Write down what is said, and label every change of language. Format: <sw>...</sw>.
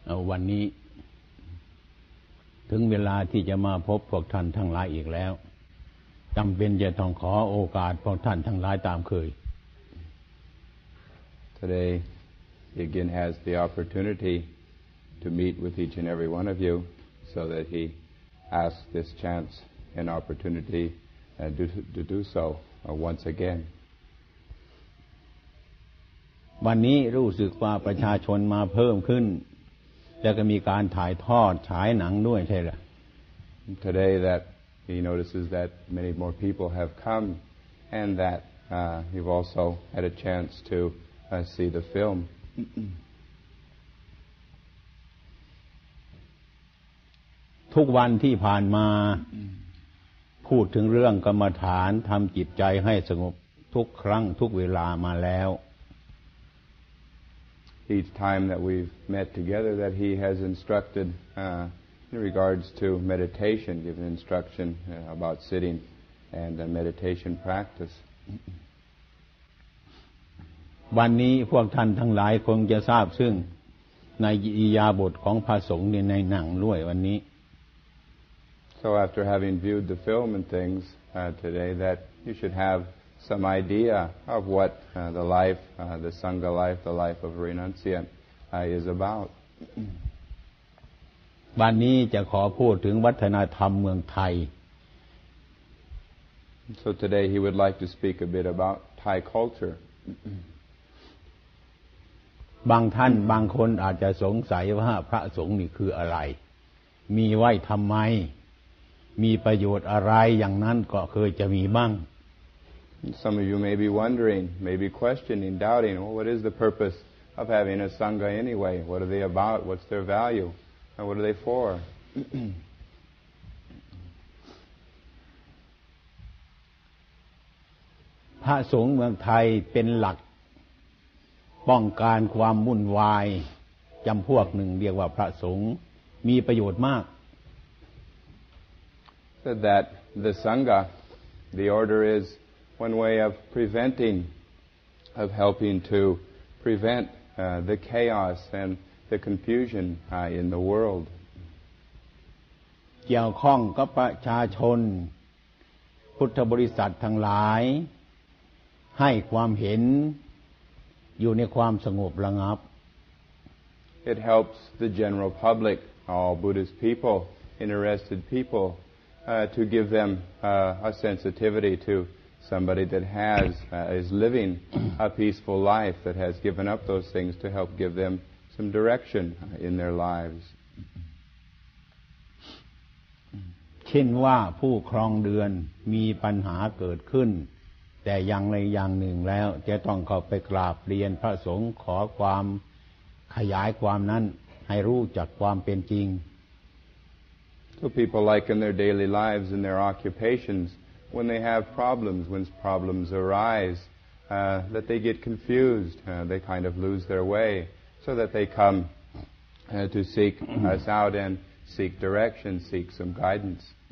<th>วันนี้ถึงเวลาที่จะมาพบพวกท่านทั้งหลายอีกแล้วจำเป็นจะต้องขอโอกาสพวกท่านทั้งหลายตามเคย</th> <en>Today he again has the opportunity to meet with each and every one of you so that he asks this chance and opportunity to do so once again.</en> <th>วันนี้รู้สึกว่าประชาชนมาเพิ่มขึ้นแล้วก็มีการถ่ายทอดฉายหนังด้วยใช่หรือ</th> <en>Today that he notices that many more people have come and that you've also had a chance to see the film</en> <th>ทุกวันที่ผ่านมาพูดถึงเรื่องกรรมฐานทำจิตใจให้สงบทุกครั้งทุกเวลามาแล้ว</th> <en>Each time that we've met together that he has instructed in regards to meditation, given instruction about sitting and the meditation practice.</en> <th>วันนี้พวกท่านทั้งหลายคงจะทราบซึ่งในอิยาบทของพระสงฆ์ในหนังด้วยวันนี้</th> <en>So after having viewed the film and things today that you should haveSome idea of what the life, the Sangha life, the life of a renunciant is about.</en> <th>วันนี้จะขอพูดถึงวัฒนธรรมเมืองไทย</th> <en>So today he would like to speak a bit about Thai culture.</en> <th>บางท่านบางคนอาจจะสงสัยว่าพระสงฆ์นี่คืออะไรมีไหว้ทำไมมีประโยชน์อะไรอย่างนั้นก็เคยจะมีบ้าง</th> <en>Some of you may be wondering, maybe questioning, doubting, well, what is the purpose of having a Sangha anyway? What are they about? What's their value? And what are they for?</en> <th>พระสงฆ์เมืองไทยเป็นหลักป้องกันความวุ่นวายจำพวกหนึ่งเรียกว่าพระสงฆ์มีประโยชน์มาก</th> <en>Said that the Sangha, the order isOne way of preventing, of helping to prevent the chaos and the confusion in the world.</en> <th>เกี่ยวข้องกับประชาชนพุทธบริษัททั้งหลายให้ความเห็นอยู่ในความสงบระงับ</th> <en>It helps the general public, all Buddhist people, interested people, to give them a sensitivity to. Somebody that has is living a peaceful life that has given up those things to help give them some direction in their lives.</en> <th>เช่นว่าผู้ครองเรือนมีปัญหาเกิดขึ้นแต่อย่างใดอย่างหนึ่งแล้วจะต้องเข้าไปกราบเรียนพระสงฆ์ขอความขยายความนั้นให้รู้จักความเป็นจริง</th> <en>So people like in their daily lives and their occupationsWhen they have problems, when problems arise, that they get confused, they kind of lose their way, so that they come to seek us out and seek direction, seek some guidance.</en>